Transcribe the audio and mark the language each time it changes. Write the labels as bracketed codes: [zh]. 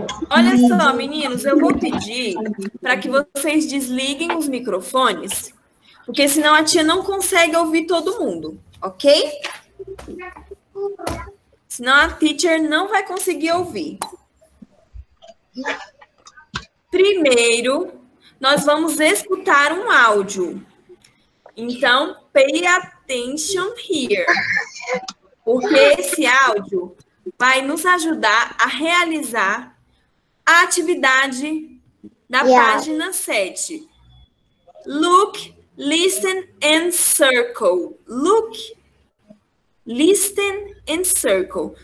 [pt] Olha só, meninos, eu vou pedir para que vocês desliguem os microfones, porque senão a tia não consegue ouvir todo mundo, ok? Senão a teacher não vai conseguir ouvir. Primeiro, nós vamos escutar um áudio. [en] Então, pay attention here. [pt] Porque esse áudio vai nos ajudar a realizar a atividade da página 7. [en] Look, listen, and circle. Look, listen, and circle.